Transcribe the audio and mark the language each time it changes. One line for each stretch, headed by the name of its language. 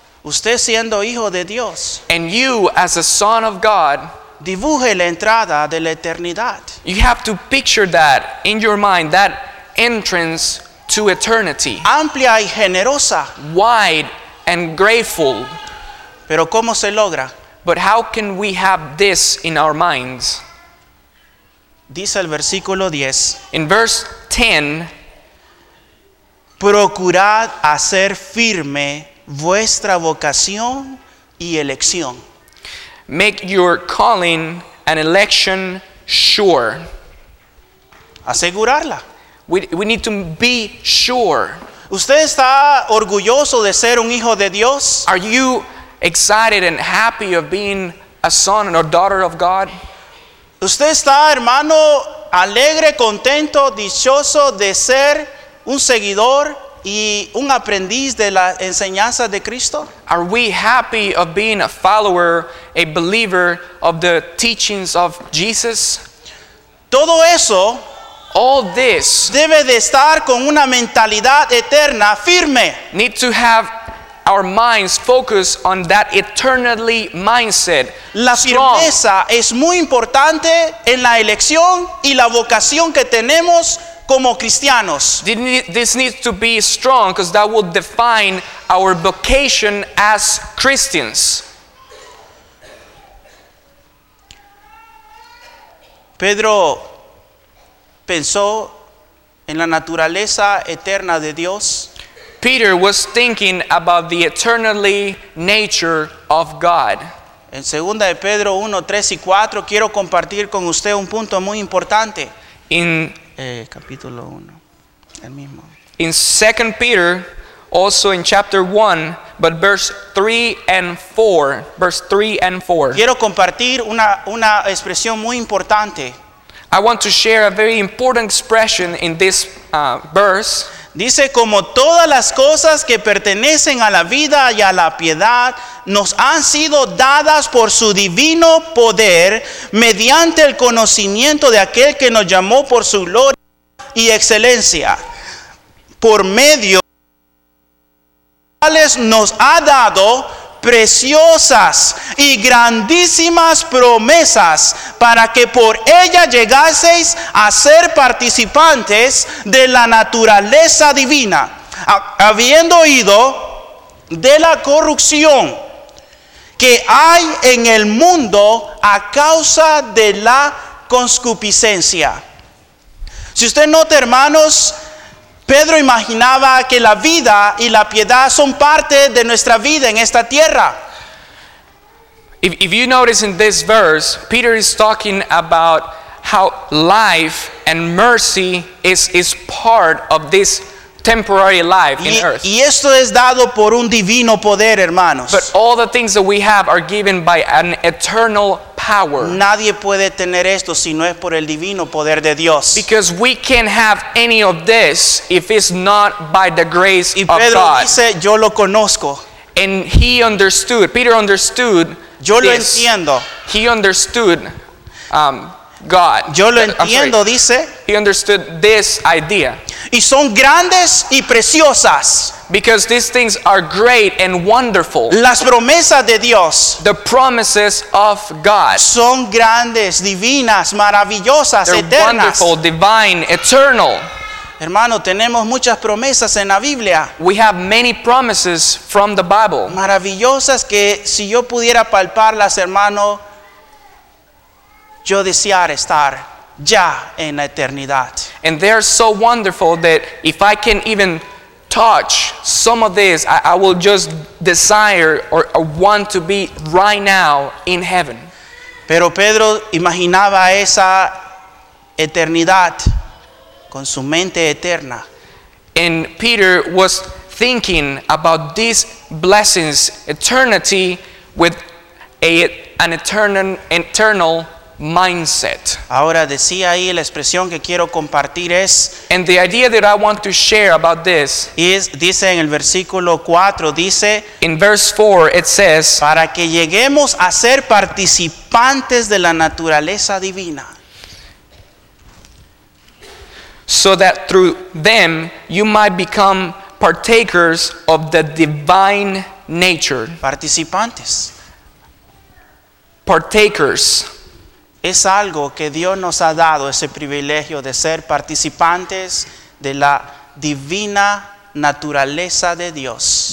Spanish: Usted siendo hijo de Dios.
English: And you as a son of God.
Spanish: Dibuje la entrada de la eternidad.
English: You have to picture that in your mind, that entrance to eternity.
Spanish: Amplia y generosa.
English: Wide and grateful.
Spanish: Pero ¿cómo se logra?
English: But how can we have this in our minds?
Spanish: Dice el versículo 10.
English: In verse 10.
Spanish: Procurad hacer firme vuestra vocación y elección.
English: Make your calling and election sure.
Spanish: Asegurarla.
English: We need to be sure.
Spanish: ¿Usted está orgulloso de ser un hijo de Dios?
English: Are you excited and happy of being a son or daughter of God?
Spanish: ¿Usted está, hermano, alegre, contento, dichoso de ser un seguidor y un aprendiz de la enseñanza de Cristo?
English: Are we happy of being a follower, a believer of the teachings of Jesus?
Spanish: Todo eso,
English: all this,
Spanish: debe de estar con una mentalidad eterna firme.
English: Need to have our minds focus on that eternally mindset.
Spanish: La firmeza es muy importante en la elección y la vocación que tenemos como cristianos.
English: This needs to be strong because that will define our vocation as Christians.
Spanish: Pedro pensó en la naturaleza eterna de Dios.
English: Peter was thinking about the eternally nature of God.
Spanish: En 2 de Pedro 1, 3 y 4, quiero compartir con usted un punto muy importante.
English: In
Spanish: capítulo 1, el mismo.
English: In 2 Peter, also in chapter 1, but verse 3 and 4, verse 3 and 4.
Spanish: Quiero compartir una expresión muy importante.
English: I want to share a very important expression in this verse.
Spanish: Dice, como todas las cosas que pertenecen a la vida y a la piedad nos han sido dadas por su divino poder mediante el conocimiento de aquel que nos llamó por su gloria y excelencia, por medio de los cuales nos ha dado preciosas y grandísimas promesas para que por ella llegaseis a ser participantes de la naturaleza divina, habiendo oído de la corrupción que hay en el mundo a causa de la concupiscencia. Si usted nota, hermanos, Pedro imaginaba que la vida y la piedad son parte de nuestra vida en esta tierra.
English: If you notice in this verse, Peter is talking about how life and mercy is part of this temporary life in earth.
Spanish: Y esto es dado por un divino poder, hermanos.
English: But all the things that we have are given by an eternal power.
Spanish: Nadie puede tener esto si no es por el divino poder de Dios.
English: Because we can't have any of this if it's not by the grace of God.
Spanish: Y Pedro dice, yo lo conozco.
English: And he understood. Peter understood.
Spanish: Yo lo entiendo.
English: He understood God.
Spanish: Yo lo entiendo, dice.
English: He understood this idea.
Spanish: Y son grandes y preciosas.
English: Because these things are great and wonderful.
Spanish: Las promesas de Dios.
English: The promises of God.
Spanish: Son grandes, divinas, maravillosas,
English: they're
Spanish: eternas.
English: They're wonderful, divine, eternal.
Spanish: Hermano, tenemos muchas promesas en la Biblia.
English: We have many promises from the Bible.
Spanish: Maravillosas que si yo pudiera palparlas, hermano, yo desear estar ya en la eternidad.
English: And they are so wonderful that if I can even touch some of this, I will just desire or want to be right now in heaven.
Spanish: Pero Pedro imaginaba esa eternidad con su mente eterna.
English: And Peter was thinking about these blessings, eternity, with an eternal mindset.
Spanish: Ahora decía ahí la expresión que quiero compartir es,
English: and the idea that I want to share about this is,
Spanish: dice en el versículo 4, dice,
English: in verse 4 it says,
Spanish: para que lleguemos a ser participantes de la naturaleza divina,
English: so that through them you might become partakers of the divine nature.
Spanish: Participantes.
English: Partakers.
Spanish: Es algo que Dios nos ha dado, ese privilegio de ser participantes de la divina naturaleza de Dios.